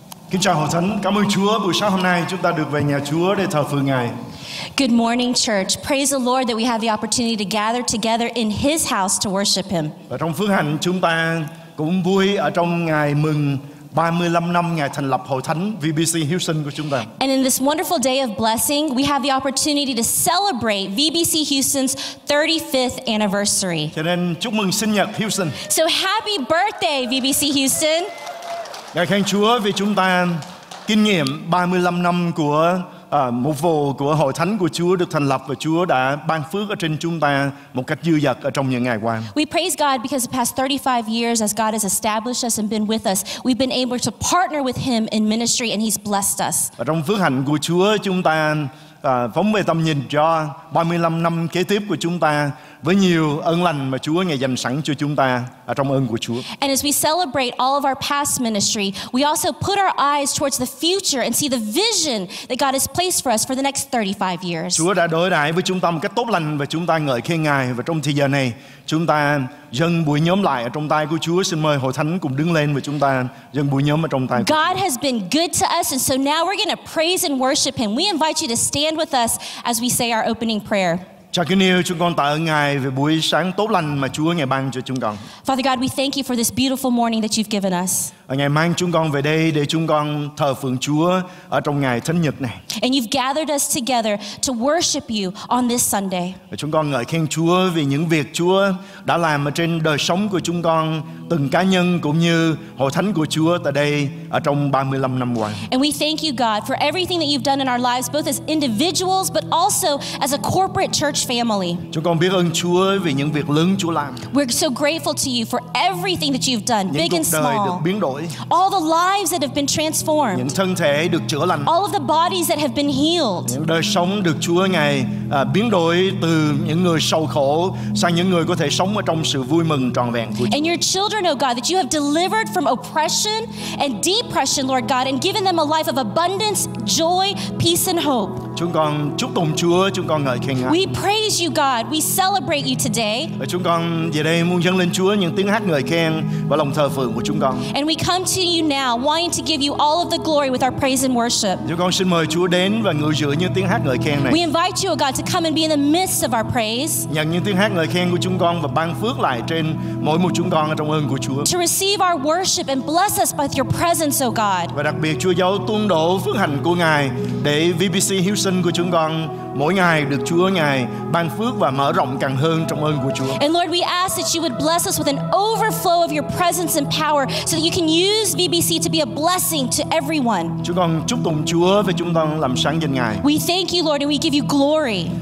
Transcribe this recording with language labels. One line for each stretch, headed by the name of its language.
Vietnamese: Xin chào hội thánh, cảm ơn Chúa buổi sáng hôm nay chúng ta được về nhà Chúa để thờ phượng Ngài.
English: Good morning, church. Praise the Lord that we have the opportunity to gather together in His house to worship Him.
Vietnamese: Và trong phước hạnh chúng ta cũng vui ở trong ngày mừng 35 năm ngày thành lập hội thánh VBC Houston của chúng ta.
English: And in this wonderful day of blessing, we have the opportunity to celebrate VBC Houston's 35th anniversary.
Vietnamese: Cho nên chúc mừng sinh nhật Houston.
English: So happy birthday, VBC Houston.
Vietnamese: Ngài khen Chúa vì chúng ta kinh nghiệm 35 năm của một vụ của hội thánh của Chúa được thành lập và Chúa đã ban phước ở trên chúng ta một cách dư dật ở trong những ngày qua.
English: We praise God because the past 35 years as God has established us and been with us, we've been able to partner with Him in ministry and He's blessed us.
Vietnamese: Ở trong phước hạnh của Chúa chúng ta phóng về tầm nhìn cho 35 năm kế tiếp của chúng ta với nhiều ân lành mà Chúa ngài dành sẵn cho chúng ta ở trong ơn của Chúa.
English: And as we celebrate all of our past ministry, we also put our eyes towards the future and see the vision that God has placed for us for the next 35 years.
Vietnamese: Chúa đã đối đãi với chúng ta một cách tốt lành và chúng ta ngợi khen ngài, và trong thời giờ này chúng ta dâng buổi nhóm lại ở trong tay của Chúa. Xin mời hội thánh cùng đứng lên và chúng ta dâng buổi nhóm ở trong tay của Chúa.
English: God has been good to us, and so now we're going to praise and worship Him. We invite you to stand with us as we say our opening prayer.
Vietnamese: Cha kính yêu, chúng con tạ ơn Ngài về buổi sáng tốt lành mà Chúa ngài ban cho chúng con.
English: Father God, we thank you for this beautiful morning that you've given us.
Vietnamese: Ngài mang chúng con về đây để chúng con thờ phượng Chúa ở trong ngày thánh nhật này.
English: And you've gathered us together to worship you on this Sunday.
Vietnamese: Chúng con ngợi khen Chúa vì những việc Chúa đã làm ở trên đời sống của chúng con, từng cá nhân cũng như hội thánh của Chúa tại đây ở trong 35 năm qua.
English: And we thank you, God, for everything that you've done in our lives, both as individuals but also as a corporate church family.
Vietnamese: Chúng con biết ơn Chúa vì những việc lớn Chúa làm.
English: We're so grateful to you for everything that you've done, big and small.
Vietnamese: Những cuộc đời được biến đổi.
English: All the lives that have been transformed.
Vietnamese: Những thân thể được chữa lành.
English: All of the bodies that have been healed.
Vietnamese: Những đời sống được Chúa ngài biến đổi từ những người sầu khổ sang những người có thể sống ở trong sự vui mừng trọn vẹn của Chúa.
English: And your children, oh God, that you have delivered from oppression and depression, Lord God, and given them a life of abundance, joy, peace, and hope.
Vietnamese: Chúng con chúc tụng Chúa, chúng con ngợi khen Ngài.
English: We praise you, God. We celebrate you today.
Vietnamese: Chúng con về đây muốn dâng lên Chúa những tiếng hát ngợi khen và lòng thờ phượng của chúng con.
English: And we come to you now, wanting to give you all of the glory with our praise and worship.
Vietnamese: Chúng con xin mời Chúa đến và ngự giữa những tiếng hát ngợi khen này.
English: We invite you, oh God, to come and be in the midst of our praise.
Vietnamese: Nhận những tiếng hát ngợi khen của chúng con và ban phước lại trên mỗi một chúng con ở trong ơn của Chúa.
English: To receive our worship and bless us with your presence, oh God.
Vietnamese: Và đặc biệt Chúa giấu tuôn đổ phước hạnh của ngài để VBC Houston của chúng con mỗi ngày được Chúa ngài ban phước và mở rộng càng hơn trong ơn của Chúa.
English: And Lord, we ask that you would bless us with an overflow of your presence and power so that you can use VBC to be a blessing to everyone.
Vietnamese: Chúng con chúc tụng Chúa và chúng con làm sáng danh ngài.
English: We thank you, Lord, and we give you glory.